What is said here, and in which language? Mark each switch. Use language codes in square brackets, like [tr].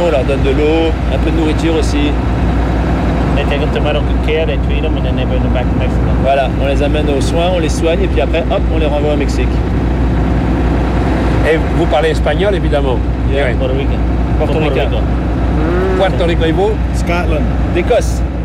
[fr] on leur donne de l'eau, un peu de nourriture aussi. [en] They take them to medical care, they treat them and then they bring them back to Mexico. [fr] Voilà, on les amène aux soins, on les soigne et puis après, hop, on les renvoie au Mexique. Et vous parlez espagnol, évidemment. [en] Yeah, [fr] oui. [en] Puerto Rican. [fr] Puerto Rico. Puerto Rico et vous? Scotland. D'Écosse.